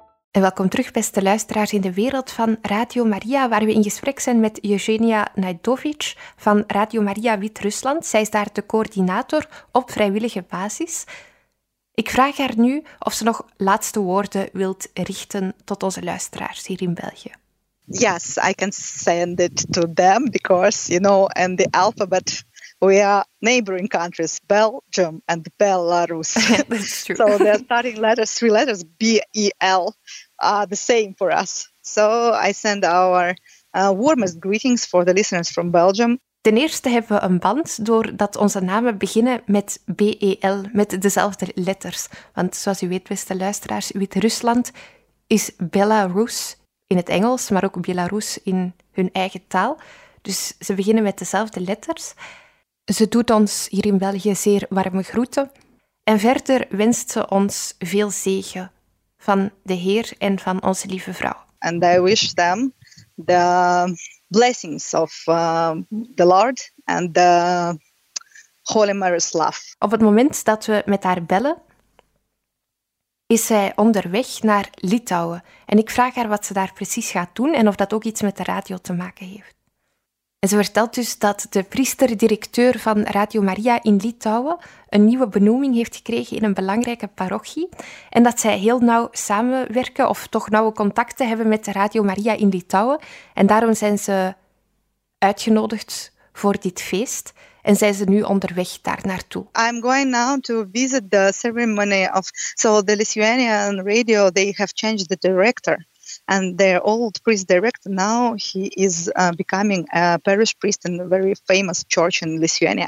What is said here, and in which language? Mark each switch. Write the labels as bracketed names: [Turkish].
[Dutch] En welkom terug, beste luisteraars in de wereld van Radio Maria, waar we in gesprek zijn met Eugenia Najdovic van Radio Maria Wit-Rusland. Zij is daar de coördinator op vrijwillige basis. Ik vraag haar nu of ze nog laatste woorden wilt richten tot onze luisteraars hier in België. [English] Yes, I can send it to them because, you know, in the alphabet we are neighboring countries, Belgium and Belarus. That's true. So the starting letters, three letters, B-E-L, are the same for us. So I send our warmest greetings for the listeners from Belgium. [Dutch] Ten eerste hebben we een band doordat onze namen beginnen met B-E-L, met dezelfde letters. Want zoals u weet, beste luisteraars, Wit-Rusland is Belarus in het Engels, maar ook Belarus in hun eigen taal. Dus ze beginnen met dezelfde letters. Ze doet ons hier in België zeer warme groeten. En verder wenst ze ons veel zegen van de Heer en van onze lieve vrouw. [English] And I wish them the blessings of the Lord and the Holy Mary's love. [Dutch] Op het moment dat we met haar bellen, is zij onderweg naar Litouwen. En ik vraag haar wat ze daar precies gaat doen en of dat ook iets met de radio te maken heeft. En ze vertelt dus dat de priester-directeur van Radio Maria in Litouwen een nieuwe benoeming heeft gekregen in een belangrijke parochie en dat zij heel nauw samenwerken of toch nauwe contacten hebben met Radio Maria in Litouwen. En daarom zijn ze uitgenodigd voor dit feest en zijn ze nu onderweg daar naartoe. [English] I'm going now to visit the ceremony of so the Lithuanian radio, they have changed the director. And their old priest director, now he is becoming a parish priest in a very famous church in Lithuania.